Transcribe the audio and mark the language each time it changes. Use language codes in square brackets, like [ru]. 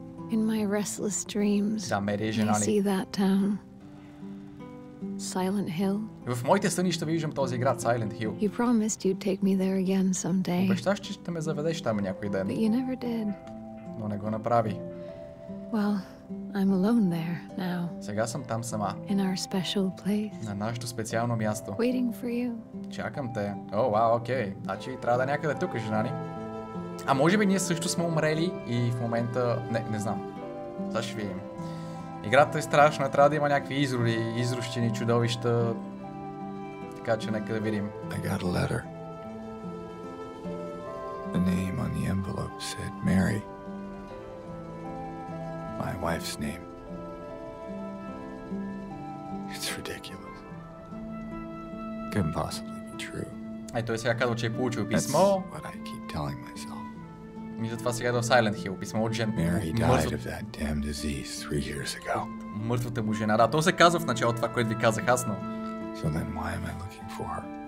[en] In my restless dreams, see that town, Silent Hill. [bg] В моите сънища виждам този град Silent Hill. [en] You promised you'd take me there again someday. [bg] Обещаш, че ще ме заведеш там някой ден. [en] But you never did. [bg] Но не го направи. [en] Well, I'm alone there now. [bg] Сега съм там сама. [en] In our special place. [bg] На нашето специално място. [en] Waiting for you. [bg] Чакам те. О, вау, окей. Значи трябва да някъде тук, жена ни. А може би ние също сме умрели и в момента... Не знам. Сега ще видим. Играта е страшна, трябва да има някакви изроди, изрощини, чудовища. Така че нека да видим. [en] I got a letter. The name on the envelope said Mary. My wife's name. It's ridiculous. Couldn't possibly be true. [bg] Ето сега казва, че е получил писмо. [en] That's what I keep telling myself. [bg] И затова сега е до Silent Hill. Писмо от жен... [en] Mary died of that damn disease 3 years ago. [bg] Мъртвата му жена. Да, то се казва в началото това, което ви казах аз, но... [en] So then why am I looking for her?